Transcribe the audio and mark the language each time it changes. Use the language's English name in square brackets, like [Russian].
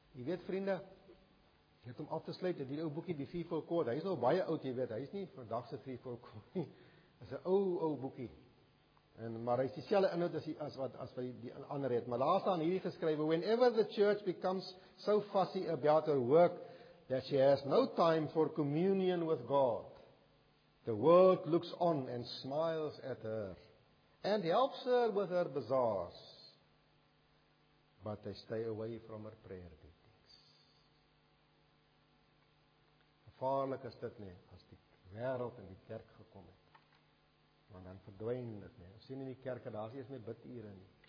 [Afrikaans] Jy weet vriende, jy het om af te sluit, die ou boekie, die Threefold Cord, hy is nou baie oud, jy weet, hy is nie vandagse Threefold Cord nie, is 'n ou boekie. En maar hy is dieselfde inhoud as wat die ander het. Maar daar staan hierdie geskrywe, [English] whenever the church becomes so fussy about her work that she has no time for communion with God, the world looks on and smiles at her and helps her with her bazaars, but they stay away from her prayer meetings. [Afrikaans] Gevaarlik is dit nie, as die wêreld in die kerk gekom het. Want dan verdwijn dit nie. Ons sien in die kerk, daar is eers nie bidure nie.